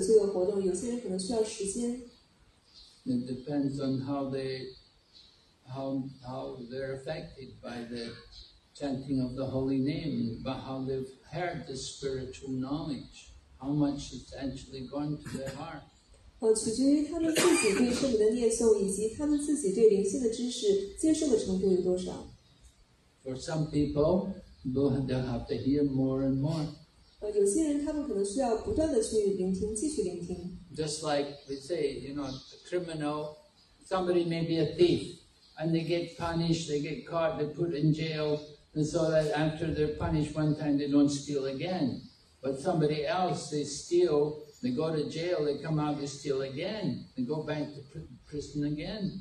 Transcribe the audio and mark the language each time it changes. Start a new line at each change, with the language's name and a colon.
Chinese: 取决于这个个人，有的人他可能一下子就可以停止他之前做的这个活动，有些人可能需要时间。
English: It depends on how they're affected by the chanting of the holy name, but how they've heard the spiritual knowledge, how much it's actually gone to their heart.
Chinese: 取决于他们自己对圣母的念诵以及他们自己对灵性的知识接受的程度有多少。
English: For some people, they'll have to hear more and more.
Chinese: 有些人他们可能需要不断地去聆听，继续聆听。
English: Just like we say, you know, a criminal, somebody may be a thief, and they get punished, they get caught, they're put in jail, and so that after they're punished one time, they don't steal again. But somebody else, they steal, they go to jail, they come out, they steal again, they go back to prison again.